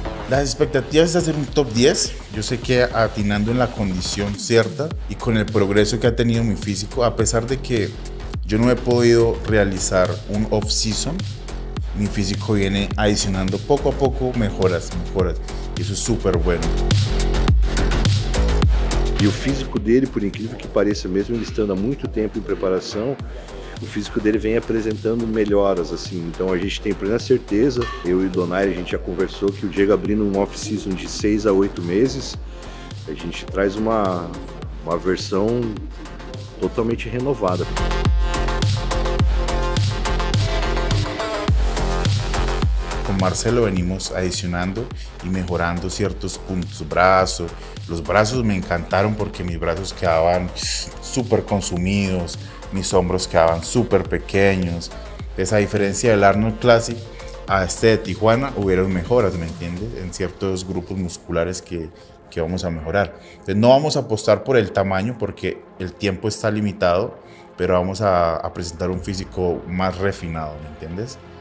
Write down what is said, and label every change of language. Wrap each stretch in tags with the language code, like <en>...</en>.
<es>Las expectativas es hacer un top 10. Yo sé que atinando en la condición cierta y con el progreso que ha tenido mi físico, a pesar de que yo no he podido realizar un off-season, mi físico viene adicionando poco a poco mejoras. Y eso es súper bueno.</es> <pt>Y el físico dele, por increíble que pareça, mesmo ele estando há muito tempo em preparação, o físico dele vem apresentando melhoras, assim. Então a gente tem plena certeza, eu e o Donaire, a gente já conversou que o Diego abrindo um off-season de 6 a 8 meses, a gente traz uma versão totalmente renovada. Com Marcelo</pt> <es>venimos adicionando</es> <pt>e melhorando certos pontos, braço. Os braços me encantaram porque meus braços quedavam super consumidos.</pt> <es>Mis hombros quedaban súper pequeños. Esa diferencia del Arnold Classic a este de Tijuana, hubieron mejoras, ¿me entiendes? En ciertos grupos musculares que vamos a mejorar. Entonces, no vamos a apostar por el tamaño porque el tiempo está limitado, pero vamos a presentar un físico más refinado, ¿me entiendes?</es>